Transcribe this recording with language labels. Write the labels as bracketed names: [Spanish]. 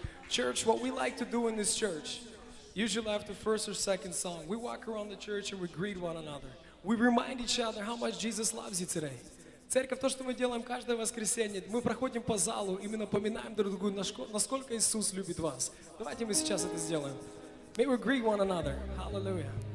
[English] Church, what we like to do in this church, usually after first or second song, we walk around the church and we greet one another. We remind each other how much Jesus loves you today. [Russian] Церковь, то, что мы делаем каждое воскресенье, мы проходим по залу и мы напоминаем друг другу, насколько Иисус любит вас. Давайте мы сейчас это сделаем. [English] May we greet one another. Hallelujah.